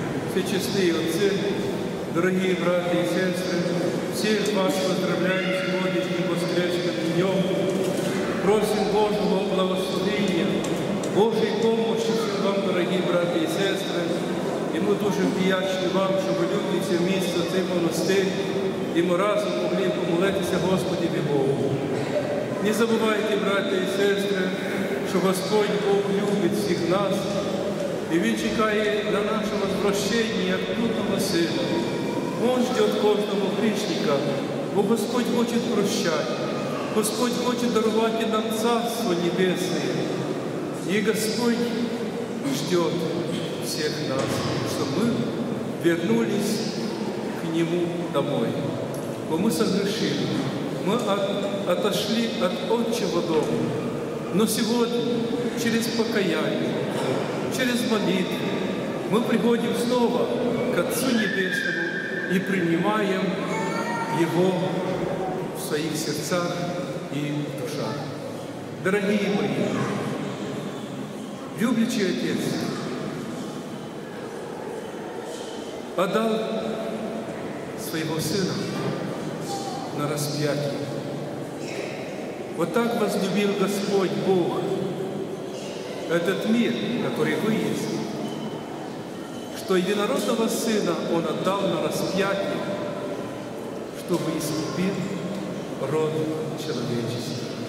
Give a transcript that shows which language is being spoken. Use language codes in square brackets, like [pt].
[ru] Всечестивые отцы, дорогие братья и сестры, всех вас поздравляем сегодняшним воскресным днем. Просим Божьего благословения, Божьей помощи вам, дорогие братья и сестры. [uk] И мы дуже вдячні вам, щоб люди ці місця, цей монастир, і ми разом могли помолитися Господі і Богу. Не забувайте, браття і сестри, що Господь Бог любить всіх нас, і Він чекає на наше прощення, як блудного сина. Він жде від кожного грішника, бо Господь хоче прощати. Господь хоче дарувати нам Царство Небесне. І Господь жде всіх нас, щоб ми вернулись к Нему домой. Бо ми согрешили. Ми отошли от Отчего дому. Но сьогодні через покаяние, через молитву ми приходимо знову к Отцу Небесному і приймаємо Його в своїх серцях і душах. Дорогі мої, люблячий Отець, [ru] отдал своего сына на распятие. Вот так возлюбил Господь Бог этот мир, который вы есть, что единородного сына Он отдал на распятие, чтобы искупил род человечества.